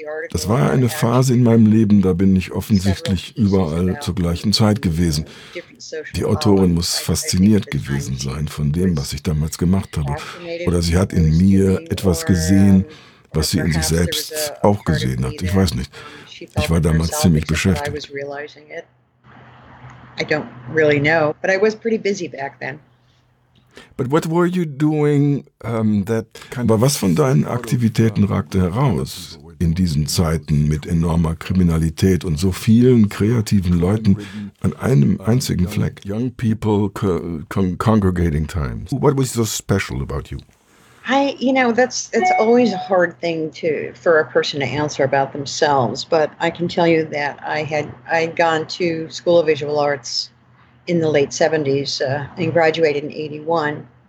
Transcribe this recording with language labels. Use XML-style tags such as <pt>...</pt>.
<de>Das war eine Phase in meinem Leben, da bin ich offensichtlich überall zur gleichen Zeit gewesen. Die Autorin muss fasziniert gewesen sein von dem, was ich damals gemacht habe. Oder sie hat in mir etwas gesehen, was sie in sich selbst auch gesehen hat. Ich weiß nicht. Ich war damals ziemlich beschäftigt.</de> <en>I don't really know, but I was pretty busy back then. But what were you doing that kind of.</en> <de>Aber was von deinen Aktivitäten ragte heraus in diesen Zeiten mit enormer Kriminalität und so vielen kreativen Leuten an einem einzigen Fleck?</de> <en>Young people congregating times. What was so special about you? That's always a hard thing to for a person to answer about themselves, but I can tell you that I'd gone to School of Visual Arts in the late 70s and graduated in 81.</en>